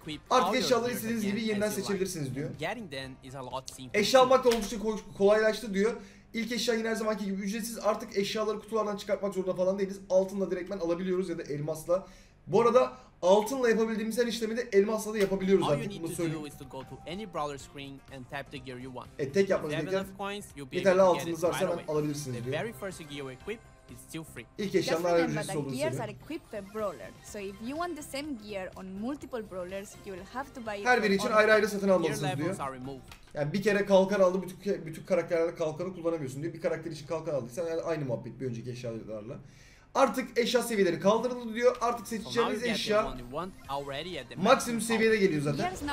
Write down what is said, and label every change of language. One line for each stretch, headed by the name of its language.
Turkish: Artık eşyaları istediğiniz gibi yeniden seçebilirsiniz diyor. Eşya almak da oldukça kolaylaştı diyor. İlk eşya yine her zamanki gibi ücretsiz. Artık eşyaları kutulardan çıkartmak zorunda falan değiliz. Altınla direktmen alabiliyoruz ya da elmasla. Bu arada altınla yapabildiğimiz her işlemi de elmasla da yapabiliyoruz artık.
English: All you need to do is to go to any brawler screen and tap the gear you want.
Turkish: Tek yapmanız gereken yeterli altınız varsa hemen alabilirsiniz diyor.
English: The very first gear you equip is still free.
Turkish: İlk eşyanlar her ücretsiz olduğunu söylüyor.
English: Gears are equipped per brawler. So if you want the same gear on multiple brawlers, you will have to buy it.
Turkish: Her biri için ayrı ayrı satın almalısınız diyor. Yani bir kere kalkan aldı, bütün karakterlerde kalkanı kullanamıyorsun diyor. Bir karakter için kalkan aldıysan yani aynı muhabbet bir önceki eşyalarla. Artık eşya seviyeleri kaldırıldı diyor. Artık seçeceğiniz eşya maksimum seviyede geliyor zaten.